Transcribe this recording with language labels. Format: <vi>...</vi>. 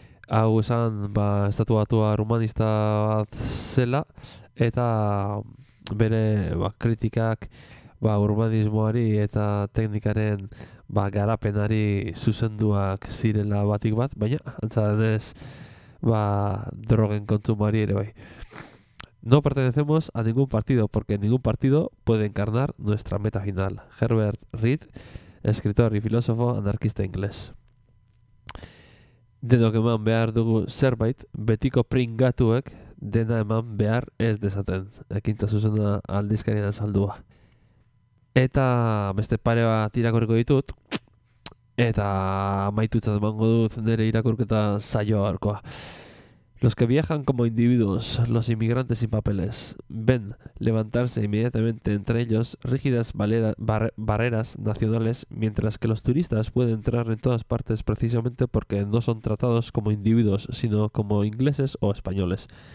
<eu>Hau esan, ba, estatuatuar humanista bat zela, eta bere ba, kritikak ba, urbanismoari eta teknikaren ba, garapenari zuzenduak zirela batik bat, baina antza denez ba, drogen kontsumoari ere bai.</eu> <es>No pertenecemos a ningún partido, porque ningún partido puede encarnar nuestra meta final. Herbert Reed, escritor y filósofo anarquista inglés.</es> <eu>Denok eman behar dugu zerbait, betiko pringatuek dena eman behar ez desaten. Ekintza zuzena aldizkarien azaldua. Eta beste pare bat irakurriko ditut, eta maitutzat emango dut nire irakurketa saioa horkoa.</eu> <es>Los que viajan como individuos, los inmigrantes sin papeles, ven levantarse inmediatamente entre ellos rígidas barreras nacionales, mientras que los turistas pueden entrar en todas partes precisamente porque no son tratados como individuos, sino como ingleses o españoles.</es>